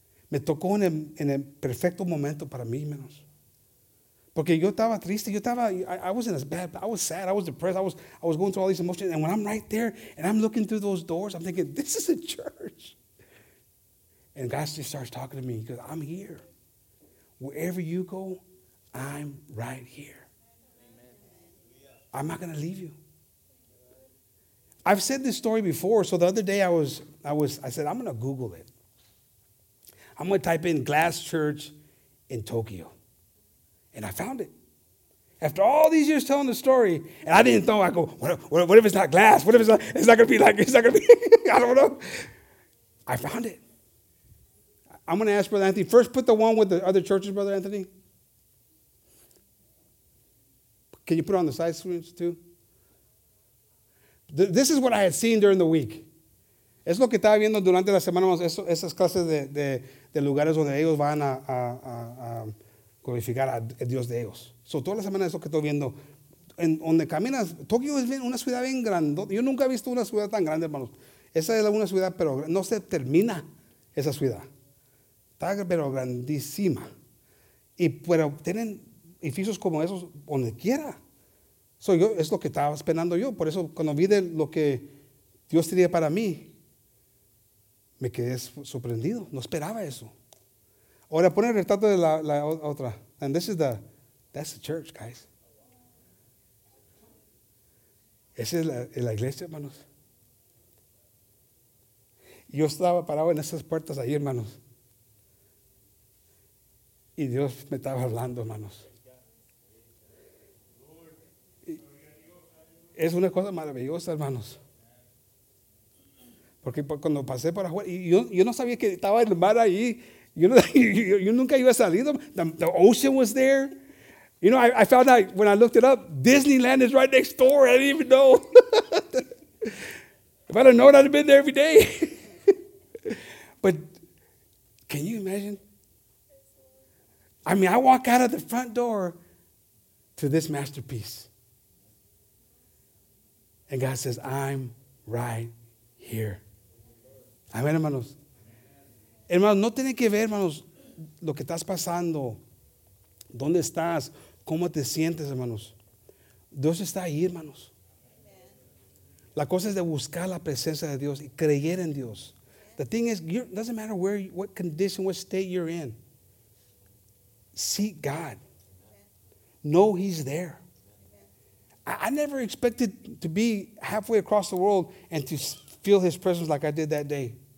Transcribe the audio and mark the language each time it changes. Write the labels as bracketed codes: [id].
[es] Me tocó en el perfecto momento para mí, hermanos. Porque yo estaba triste, [en] I wasn't as bad, but I was sad, I was depressed, I was going through all these emotions, and when I'm right there, and I'm looking through those doors, I'm thinking, this is a church. And God just starts talking to me, because I'm here. Wherever you go, I'm right here. Amen. I'm not going to leave you. I've said this story before, so the other day I said, I'm going to Google it. I'm going to type in Glass Church in Tokyo. And I found it. After all these years telling the story, and I didn't throw, I go, what if it's not glass? What if it's not going to be like, it's not going to be, I don't know. I found it. I'm going to ask Brother Anthony, first put the one with the other churches, Brother Anthony. Can you put it on the side screens too? This is what I had seen during the week. [es] Es lo que estaba viendo durante la semana, esas clases de lugares donde ellos van a glorificar a Dios de ellos. So, toda la semana es lo que estoy viendo. En donde caminas, Tokio es una ciudad bien grande. Yo nunca he visto una ciudad tan grande, hermanos. Esa es una ciudad, pero no se termina esa ciudad. Está pero grandísima. Y pero tienen edificios como esos donde quiera. So, yo, es lo que estaba esperando yo. Por eso, cuando vi de lo que Dios tenía para mí, me quedé sorprendido. No esperaba eso. Ahora, pon el retrato de la otra. [en] And this is the, that's the church, guys. [es] Esa es la iglesia, hermanos. Yo estaba parado en esas puertas ahí, hermanos. Y Dios me estaba hablando, hermanos. Y es una cosa maravillosa, hermanos. Porque cuando pasé por afuera, yo no sabía que estaba el mar ahí. You nunca iba a salir. [en] The ocean was there. You know, I found out when I looked it up, Disneyland is right next door. I didn't even know. If I'd have known, I'd have been there every day. But can you imagine? I mean, I walk out of the front door to this masterpiece. And God says, I'm right here. Amen, hermanos. [es] Hermanos, no tiene que ver, hermanos, lo que estás pasando, dónde estás, cómo te sientes, hermanos. Dios está ahí, hermanos. La cosa es de buscar la presencia de Dios y creer en Dios. [en] The thing is, it doesn't matter where, what condition, what state you're in. Seek God. Know He's there. I never expected to be halfway across the world and to feel His presence like I did that day.